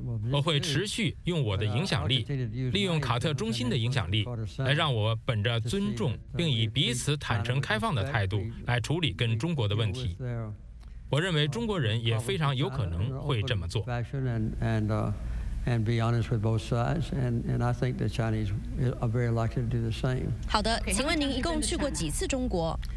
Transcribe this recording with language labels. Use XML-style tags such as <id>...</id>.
<zh>我会持续用我的影响力，利用卡特中心的影响力，来让我本着尊重并以彼此坦诚开放的态度来处理跟中国的问题。我认为中国人也非常有可能会这么做。</zh> <en>And be honest with both sides, and I think the Chinese are very likely to do the same.</en> <zh>好的，请问您一共去过几次中国？</zh>